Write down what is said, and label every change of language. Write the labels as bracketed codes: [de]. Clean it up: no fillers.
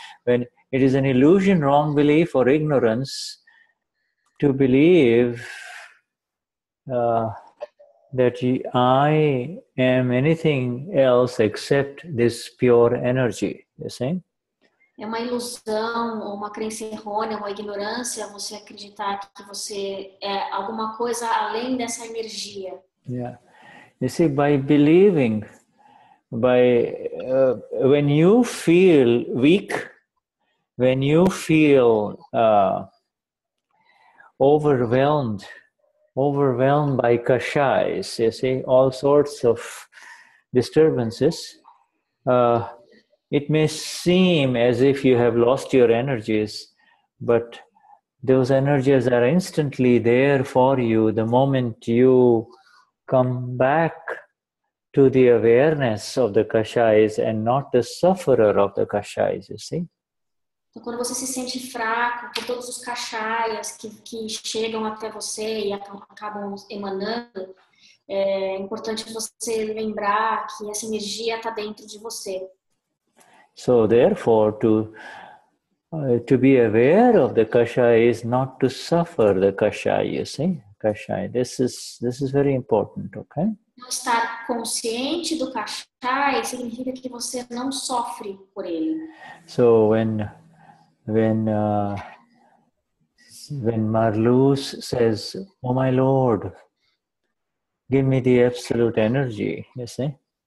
[en] When it is an illusion, wrong belief, or ignorance to believe that I am anything else except this pure energy. You see? [pt] É uma ilusão, ou uma crença errônea, uma ignorância, você acreditar que você é alguma coisa além dessa energia. [en] Yeah. You see, by believing, when you feel weak, when you feel overwhelmed by kashas, you see, all sorts of disturbances, it may seem as if you have lost your energies, but those energies are instantly there for you the moment you come back to the awareness of the kashas and not the sufferer of the kashas, you see? [pt] Então, quando você se sente fraco com todos os kashas que chegam até você e acabam emanando, é importante você lembrar que essa energia está dentro de você. [en] So therefore, to be aware of the kasha is not to suffer the kasha, you see? Kasha, this is very important, okay? [pt] Estar consciente do kasha significa que você não sofre por ele. [en] So when Marluz says, "Oh my Lord, give me the absolute energy," you see?